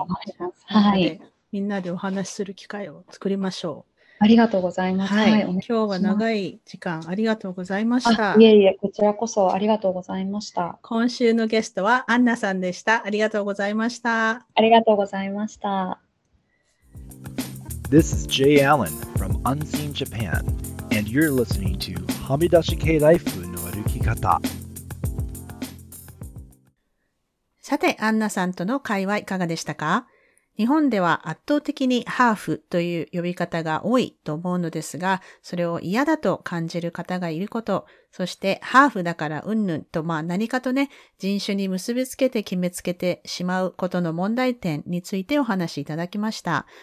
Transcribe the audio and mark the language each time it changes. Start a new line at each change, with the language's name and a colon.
Japanese: ぜひぜひ、はい、みんなでお話しする機会を作りましょう。ありがとうございます。はい、今日は長い時間ありがとうございました。いえいえ、こちらこそありがとうございました。今週のゲストはアンナさんでした。ありがとうございました。ありがとうございました。
English: This is Jay Allen from Unseen JapanAnd you're listening to はみ出し系ライフの歩き方。
Japanese: さて、アンナさんとの会話いかがでしたか？日本では圧倒的にハーフという呼び方が多いと思うのですが、それを嫌だと感じる方がいること、そしてハーフだからうんぬんと、まあ何かとね、人種に結びつけて決めつけてしまうことの問題点についてお話しいただきました。